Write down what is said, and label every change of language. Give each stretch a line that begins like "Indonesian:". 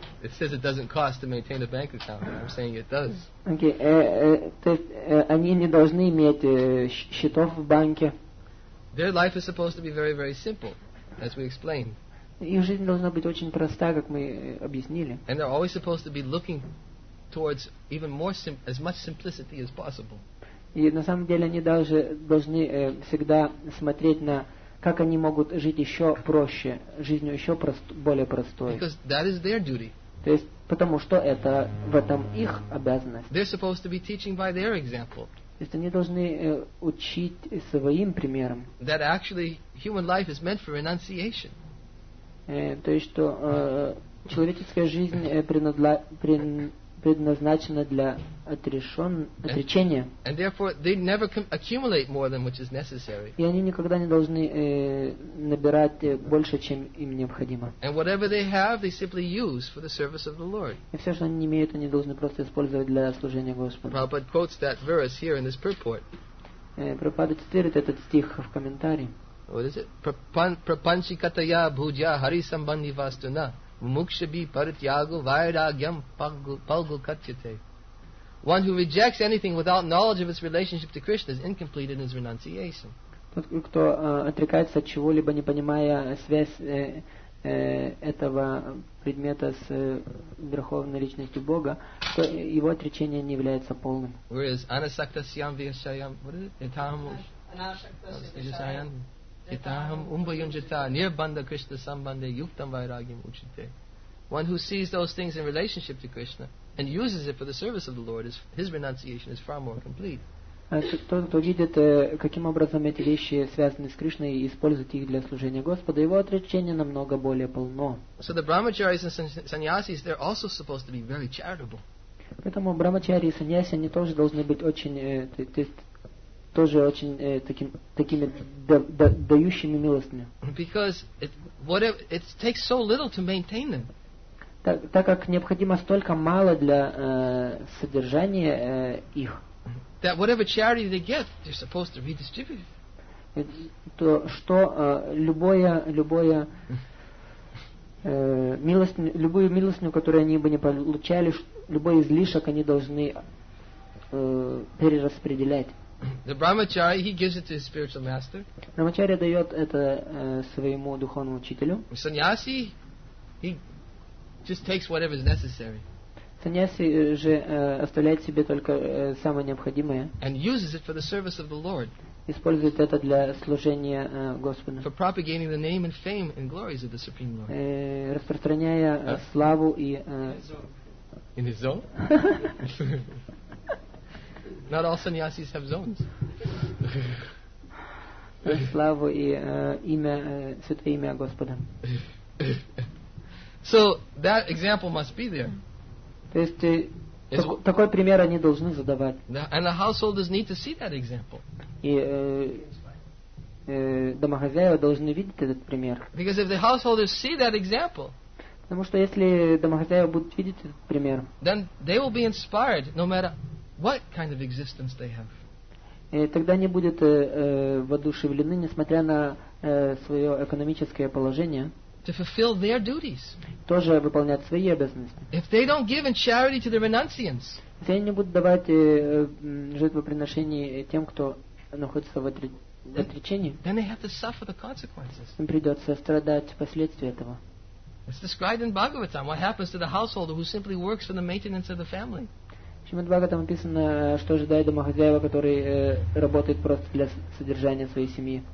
English: It says it doesn't cost to maintain a bank account. I'm saying it does. Okay.
Russian: То есть они не должны иметь счетов в банке.
English: Their life is supposed to be very, very simple, as we explained.
Russian: Их жизнь должна быть очень проста, как мы объяснили.
English: And they're always supposed to be looking towards even more as much simplicity as possible.
Russian: И на самом деле они должны всегда смотреть на как они могут жить еще проще, жизнью еще более простой.
English: Because that is their duty.
Russian: То есть, потому что это в этом их обязанность.
English: They're supposed to be teaching by their example.
Russian: То есть они должны учить своим примером.
English: That actually human life is meant for renunciation.
Russian: То есть, что человеческая жизнь предназначена для отречения.
English: And therefore, they never accumulate more than which is necessary.
Russian: И они никогда не должны набирать больше, чем им необходимо.
English: And whatever they have, they simply use for the service of the Lord.
Russian: И все, что они не имеют, они должны просто использовать для служения Господу.
English: Prabhupada quotes that verse here in this purport.
Russian: Prabhupada цитирует этот стих в комментарии.
English: What is it?
Sanskrit: Prapanchikataya bhujya hari sambandhi vastuna. Mukshabi parityagu vairagyam palgu katyate.
English: One who rejects anything without knowledge of its relationship to Krishna is incomplete in his renunciation.
Russian: Тот, кто отрекается от чего-либо, не понимая связь этого предмета с верховной личностью Бога, то его отречение не является полным.
English: Whereas
Sanskrit: anasakta syam vishayam,
English: what is it?
Sanskrit: Itaham anasakta itaham umbayunjata nirbanda krishna sambandhe yuktam vairagyam uchite.
English: One who sees those things in relationship to Krishna and uses it for the service of the Lord, his renunciation is far more complete.
Russian: Тот, кто видит, каким образом эти вещи связаны с Кришной и использует их для служения Господа, его отречение намного более полно.
English: So the brahmacharis and sannyasis, they're also supposed to be very charitable.
Russian: Поэтому брахмачари и саньяси, они тоже должны быть очень дающими милостыми.
English: Because it takes so little to maintain them.
Russian: Так как необходимо столько мало для содержания их.
English: That whatever charity they get, they're supposed to redistribute.
Russian: То, что любое милость, любую милостыню, которую они бы не получали, любой излишек они должны перераспределять.
English: The brahmachari, he gives it to his spiritual master.
Russian: Брахмачари дает это своему духовному учителю.
English: Саньяси, he just takes whatever is necessary.
Russian: Саньяси же оставляет себе только самое необходимое.
English: And uses it for the service of the Lord.
Russian: Использует это для служения Господу.
English: For propagating the name and fame and glories of the Supreme Lord.
Russian: Распространяя славу и...
English: In his zone? Not all sannyasis have zones.
Russian: Славу и имя, святое имя Господа.
English: So that example must be there.
Russian: То есть такой пример они должны задавать.
English: And the householders need to see that example.
Russian: И домохозяева должны видеть этот пример.
English: Because if the householders see that example,
Russian: потому что если домохозяева будут видеть этот пример,
English: then they will be inspired, no matter what kind of existence they have.
Russian: И тогда они будут воодушевлены, несмотря на свое экономическое положение.
English: To fulfill their duties.
Russian: Тоже выполнять свои обязанности.
English: If they don't give in charity to the renunciants.
Russian: Если они не будут давать жертвоприношение тем, кто находится в отречении.
English: Then they have to suffer the consequences.
Russian: Им придется страдать последствия этого.
English: It's described in Bhagavatam what happens to the householder who simply works for the maintenance of the family.
Russian: В Шримад Бхагаватам написано, что ожидает домохозяева, который работает просто для содержания своей семьи.